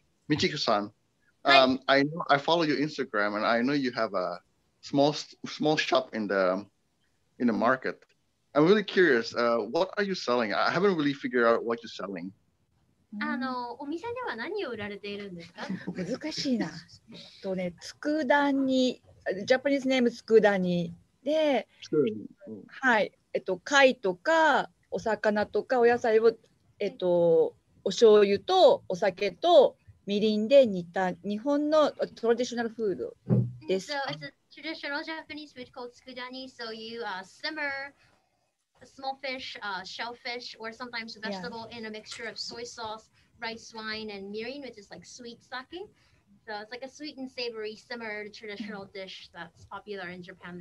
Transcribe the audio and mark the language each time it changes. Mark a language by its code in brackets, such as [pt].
[en] Michiko-san, I follow your Instagram and I know you have a small shop in the market. I'm really curious, what are you selling? I haven't really figured out what you're selling. [ja] お店では何を売られているんですか？難しいな。とね、つくだに、ジャパニーズネームつくだにで、はい、貝とかお魚とかお野菜を、お醤油とお酒とみりんで煮た日本のトラディショナルフードです。 [en] Traditional Japanese food called tsukudani. So you simmer a small fish, shellfish, or sometimes a vegetable in a mixture of soy sauce, rice wine, and mirin, which is like sweet sake. So it's like a sweet and savory simmered traditional dish that's popular in Japan.